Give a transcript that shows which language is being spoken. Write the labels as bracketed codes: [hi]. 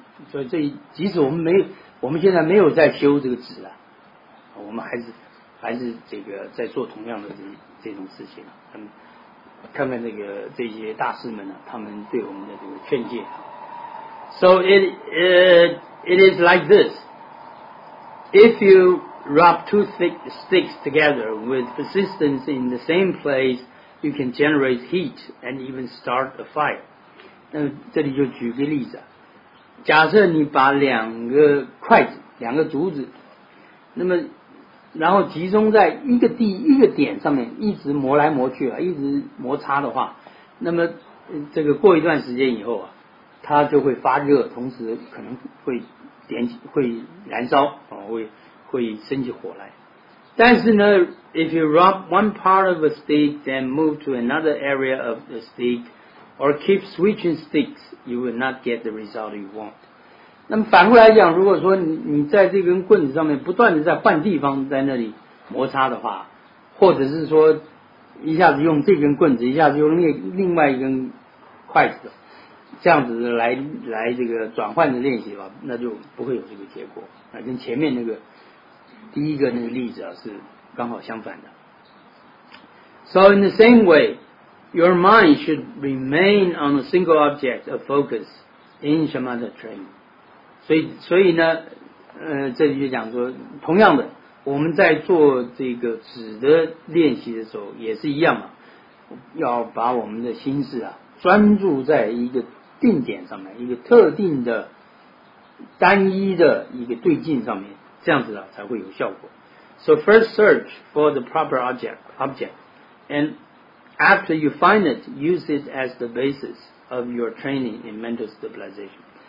[zh] 所以这即使我们现在没有在修这个止了、我们还是这个在做同样的这种事情、看看这个这些大师们呢、他们对我们的这个劝诫。 [en] So it is like this. If you rub two thick sticks together with persistence in the same place, you can generate heat and even start a fire. [zh] 那这里就举个例子，假设你把两个筷子、两个竹子，那么然后集中在一个点上面，一直磨来磨去啊，一直摩擦的话，那么这个过一段时间以后啊，它就会发热，同时可能会点起，会燃烧，会升起火来。但是呢 [en] ，if you rub one part of a stick, then move to another area of the stick, or keep switching sticks, you will not get the result you want. [zh] 那么反过来讲，如果说你在这根棍子上面不断的在换地方，在那里摩擦的话，或者是说一下子用这根棍子，一下子用另外一根筷子。这样子来这个转换的练习吧，那就不会有这个结果。那跟前面那个第一个那个例子啊是刚好相反的。 [en] So in the same way, Your mind should remain on a single object of focus in shamatha training. [zh] 所以呢，这里就讲说，同样的，我们在做这个止的练习的时候也是一样嘛，要把我们的心智啊专注在一个定点上面，一个特定的单一的一个对境上面，这样子啊才会有效果。 [en] So first search for the proper object, and after you find it, use it as the basis of your training in mental stabilization.